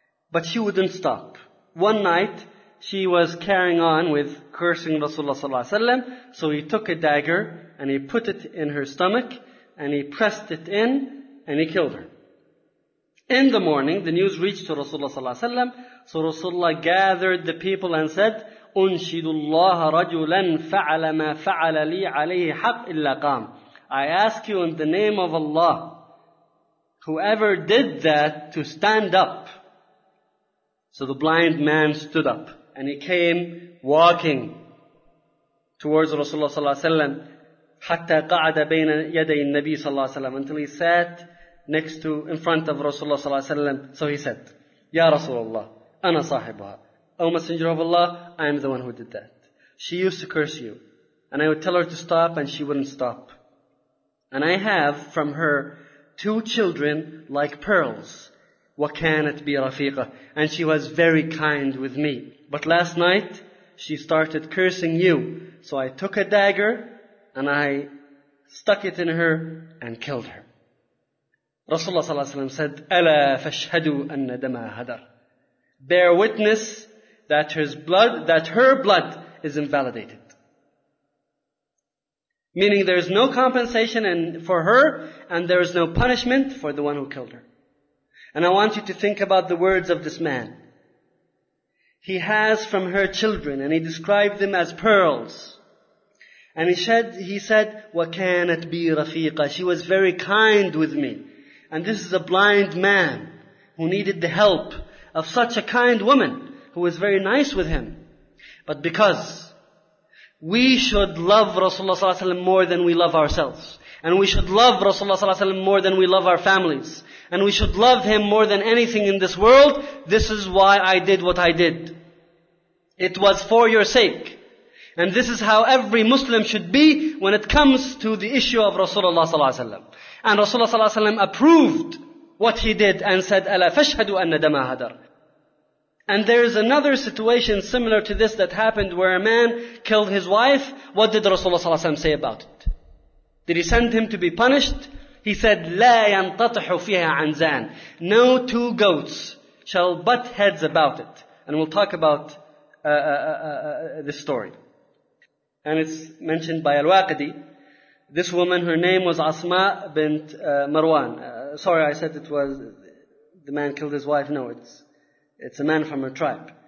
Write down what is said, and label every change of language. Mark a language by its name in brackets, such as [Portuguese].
[English] But she wouldn't stop. One night, she was carrying on with cursing Rasulullah sallallahu alaihi wasallam. So he took a dagger and he put it in her stomach, and he pressed it in, and he killed her. In the morning, the news reached to Rasulullah sallallahu alaihi wasallam. So Rasulullah gathered the people and said, [Arabic] أنشد الله رجلا فعل ما فعل لي عليه حق إلا قام. [English] I ask you in the name of Allah, whoever did that, to stand up. So the blind man stood up and he came walking towards Rasulullah [Arabic] صلى الله عليه وسلم [English] حتى قعد بين يدي النبي صلى الله عليه وسلم, until he sat next to, in front of Rasulullah صلى الله عليه وسلم. So he said, [Arabic] يا رسول الله أنا صاحبها. [English] O Messenger of Allah, I am the one who did that. She used to curse you. And I would tell her to stop, and she wouldn't stop. And I have from her two children like pearls. [Arabic] وَكَانَتْ بِرَفِيقَةٍ. [English] And she was very kind with me. But last night, she started cursing you. So I took a dagger, and I stuck it in her, and killed her. [Arabic] Rasulullah صلى الله عليه وسلم said, أَلَا فَاشْهَدُوا أَنَّ دَمَا هَدَرَ. [English] Bear witness that his blood, that her blood is invalidated. Meaning there is no compensation for her, and there is no punishment for the one who killed her. And I want you to think about the words of this man. He has from her children, and he described them as pearls. And he said, [Arabic] وَكَانَتْ بِي رَفِيقَةً. [English] She was very kind with me. And this is a blind man who needed the help of such a kind woman, who was very nice with him. But because we should love Rasulullah صلى الله عليه وسلم more than we love ourselves, and we should love Rasulullah صلى الله عليه وسلم more than we love our families, and we should love him more than anything in this world, this is why I did what I did. It was for your sake. And this is how every Muslim should be when it comes to the issue of Rasulullah صلى الله عليه وسلم. And Rasulullah [Arabic] صلى الله عليه وسلم [English] approved what he did and said, [Arabic] أَلَا فَاشْهَدُوا أَنَّ دَمَا هَدَرَ. [English] And there is another situation similar to this that happened, where a man killed his wife. What did Rasulullah صلى الله عليه وسلم say about it? Did he send him to be punished? He said, [Arabic] لَا يَنْتَطِحُ فِيهَا عَنْزَانٍ. [English] No two goats shall butt heads about it. And we'll talk about this story. And it's mentioned by Al-Waqidi. This woman, her name was Asma bint Marwan. Sorry, I said it was the man killed his wife. No, it's a man from her tribe.